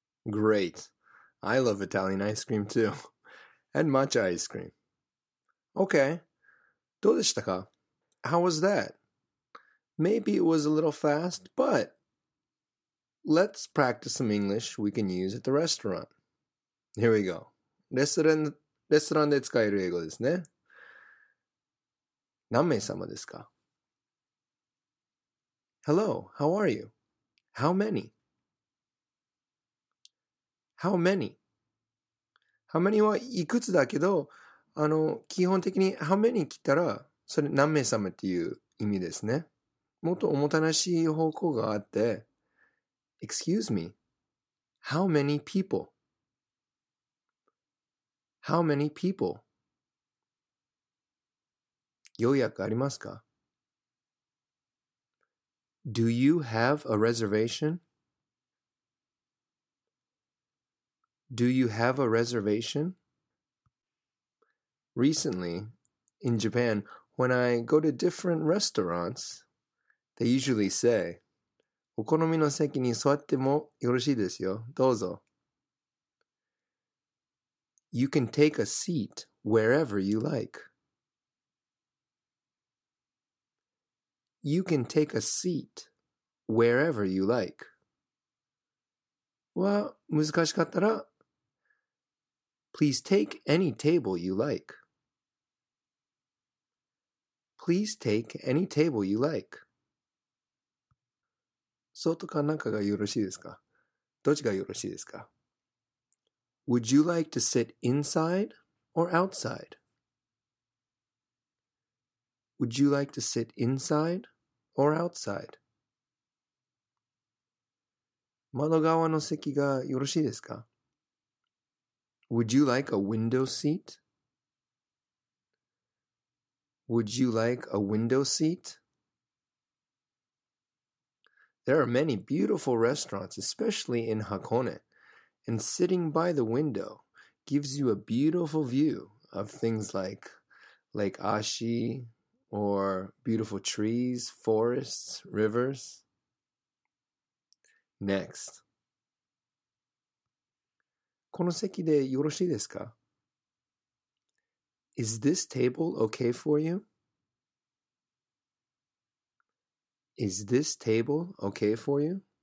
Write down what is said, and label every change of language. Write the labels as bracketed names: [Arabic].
[English] Great. I love Italian ice cream, too. And matcha ice cream. Okay. [Japanese] どうでしたか? [English] How was that? Maybe it was a little fast, but let's practice some English we can use at the restaurant. Here we go. [Japanese] レストランで使える英語ですね。何名様ですか? [English] Hello, how are you? How many? How many? [Japanese] How many はいくつだけど、基本的に how many 聞いたら、それ何名様っていう意味ですね。もっとおもたなしい方向があって、 [English] Excuse me, how many people? How many people? [Japanese] 予約ありますか? [English] Do you have a reservation? Do you have a reservation? Recently, in Japan, when I go to different restaurants, they usually say, [Japanese] お好みの席に座ってもよろしいですよ。どうぞ。 [English] You can take a seat wherever you like. You can take a seat wherever you like. [Japanese] は難しかったら [English] Please take any table you like. Please take any table you like. [Japanese] 外か中がよろしいですか？どっちがよろしいですか？ [English] Would you like to sit inside or outside? Would you like to sit inside or outside? [Japanese] 窓側の席がよろしいですか？ [English] Would you like a window seat? Would you like a window seat? There are many beautiful restaurants, especially in Hakone, and sitting by the window gives you a beautiful view of things like Lake Ashi or beautiful trees, forests, rivers. Next. [Japanese] この席でよろしいですか? [English] Is this table okay for you? Is this table okay for you?